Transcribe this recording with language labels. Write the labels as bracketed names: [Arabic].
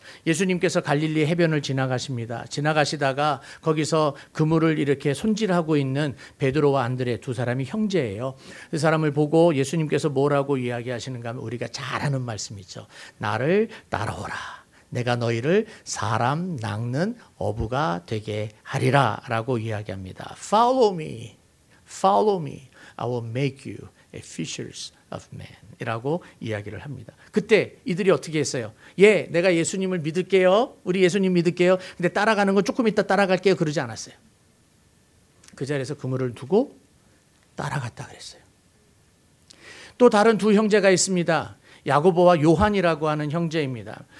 [Korean] 예수님께서 갈릴리 해변을 지나가십니다. 지나가시다가 거기서 그물을 이렇게 손질하고 있는 베드로와 안드레 두 사람이 형제예요. 그 사람을 보고 예수님께서 뭐라고 이야기하시는가 하면 우리가 잘 아는 말씀이죠. 나를 따라오라. 내가 너희를 사람 낚는 어부가 되게 하리라 라고 이야기합니다. [English] Follow me. Follow me. I will make you a fishers of men. [Korean] 이라고 이야기를 합니다. 그때 이들이 어떻게 했어요? 예, 내가 예수님을 믿을게요. 우리 예수님 믿을게요. 근데 따라가는 건 조금 이따 따라갈게요. 그러지 않았어요. 그 자리에서 그물을 두고 따라갔다 그랬어요. 또 다른 두 형제가 있습니다. 야고보와 요한이라고 하는 형제입니다.